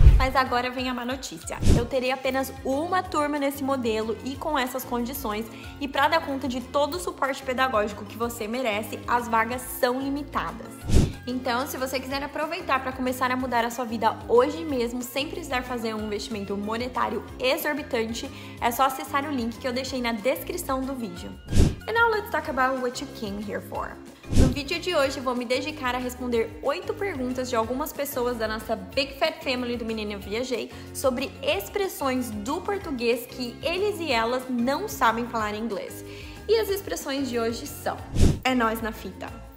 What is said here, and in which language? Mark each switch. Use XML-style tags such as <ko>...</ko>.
<pt>Mas agora vem a má notícia. Eu terei apenas uma turma nesse modelo e com essas condições, e para dar conta de todo o suporte pedagógico que você merece, as vagas são limitadas. Então, se você quiser aproveitar para começar a mudar a sua vida hoje mesmo, sem precisar fazer um investimento monetário exorbitante, é só acessar o link que eu deixei na descrição do vídeo.</pt> <en>And now let's talk about what you came here for.</en> <pt>No vídeo de hoje, vou me dedicar a responder 8 perguntas de algumas pessoas da nossa Big Fat Family do Menino Viajei sobre expressões do português que eles e elas não sabem falar em inglês. E as expressões de hoje são: é nóis na fita.</pt>